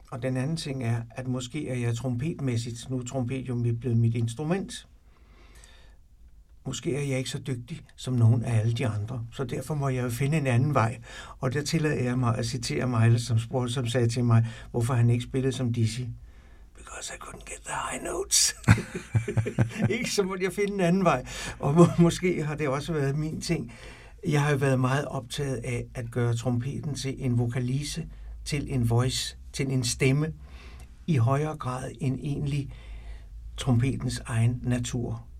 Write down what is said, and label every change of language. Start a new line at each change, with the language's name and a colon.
Danish: Og den anden ting er, at måske er jeg trompetmæssigt, nu er trompet jo blevet mit instrument. Måske er jeg ikke så dygtig som nogen af alle de andre, så derfor må jeg jo finde en anden vej. Og der tillader jeg mig at citere Miles, som sagde til mig, hvorfor han ikke spillede som Dizzy.
English: Because I couldn't get the high notes.
Danish: Ikke, så måtte jeg finde en anden vej. Og måske har det også været min ting. Jeg har jo været meget optaget af at gøre trompeten til en vokalise, til en voice, til en stemme, i højere grad end egentlig trompetens egen natur.